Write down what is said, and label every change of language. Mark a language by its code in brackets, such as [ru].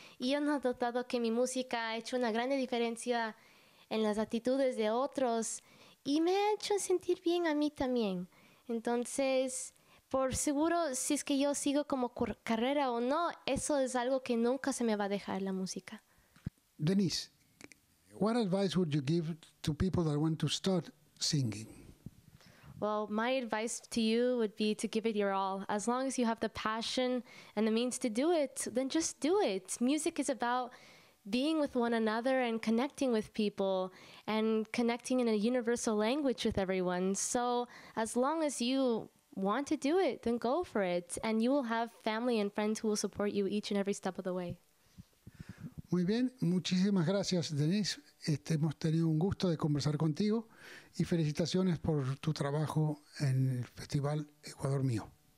[es] Y yo he notado que mi música ha hecho una gran diferencia en las actitudes de otros y me ha hecho sentir bien a mí también. Entonces, por seguro, si es que yo sigo como carrera o no, eso es algo que nunca se me va a dejar, la música. [en] Denis, what advice would you give to people that want to start singing? Well, my advice to you would be to give it your all. As long as you have the passion and the means to do it, then just do it. Music is about being with one another and connecting with people and connecting in a universal language with everyone. So as long as you want to do it, then go for it. And you will have family and friends who will support you each and every step of the way. [es] Muy bien, muchísimas gracias, Denis. Hemos tenido un gusto de conversar contigo y felicitaciones por tu trabajo en el Festival Ecuador Mío.